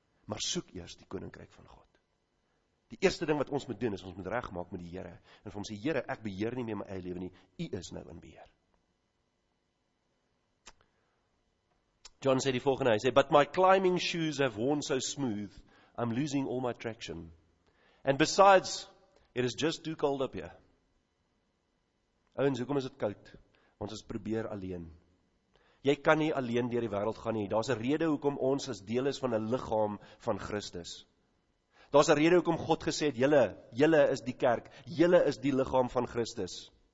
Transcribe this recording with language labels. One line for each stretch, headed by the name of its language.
Afrikaans: Maar soek eers die koninkryk van God. Die eerste ding wat ons moet doen is ons moet regmaak met die Here en vir hom sê Here, ek beheer nie meer my eie lewe nie. U is nou in beheer.
English: John
Afrikaans: sê die volgende, hy sê
English: but my climbing shoes have worn so smooth, I'm losing all my traction. And besides, it is just too cold up here.
Afrikaans: Ouens, hoekom is dit koud? Ons is probeer alleen. Jy kan nie alleen deur die wêreld gaan nie. Daar's 'n rede hoekom ons as deel is van 'n liggaam van Christus. Daar's 'n rede hoekom God gesê het, julle is die kerk, julle is die liggaam van Christus.